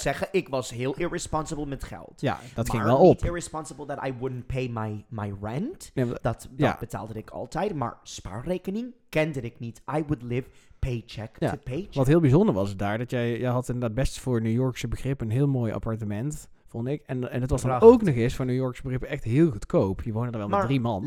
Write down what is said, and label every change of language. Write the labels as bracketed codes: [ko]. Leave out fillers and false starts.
[nl] Ik was heel irresponsible met geld. Ja, dat ging maar wel op. [en] Niet irresponsible that I wouldn't pay my rent. [nl] Nee, dat betaalde ik altijd, maar spaarrekening kende ik niet. [en] I would live paycheck to paycheck. [nl] Wat heel bijzonder was daar, dat jij had inderdaad best voor New Yorkse begrip een heel mooi appartement. vond ik. En het was dan ook nog eens voor New Yorkse begrippen echt heel goedkoop. Je woonde er wel maar, met drie man.